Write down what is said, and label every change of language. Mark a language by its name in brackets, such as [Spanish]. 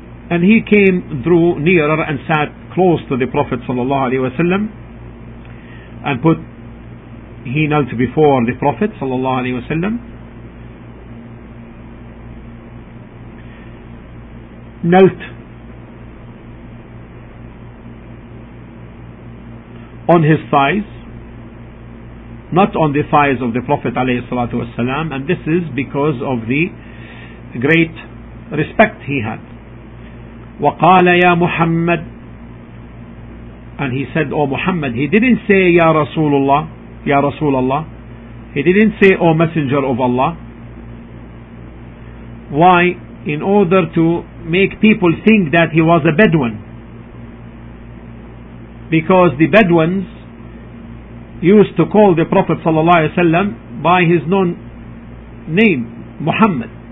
[English] And he came, drew nearer and sat close to the Prophet sallallahu alaihi wasallam, and he knelt before the Prophet sallallahu alaihi wasallam, knelt on his thighs, not on the thighs of the Prophet alayhi salatu wasalam, and this is because of the great respect he had. [Arabic] وَقَالَ يَا مُحَمَّدْ, [English] and he said, O Muhammad. He didn't say [Arabic] يَا رَسُولُ اللَّهِ, يَا رَسُولَ اللَّهِ. [English] He didn't say O Messenger of Allah. Why? In order to make people think that he was a Bedouin, because the Bedouins used to call the Prophet ﷺ by his known name, Muhammad.